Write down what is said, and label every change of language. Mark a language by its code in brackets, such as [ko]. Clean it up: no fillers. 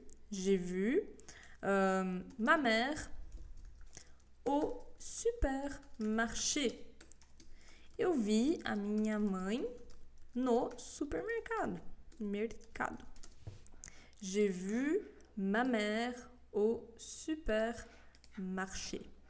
[fr] J'ai vu ma mère au supermarché. [pt] Eu vi a minha mãe no supermercado. Mercado. [fr] J'ai vu ma mère au supermarché.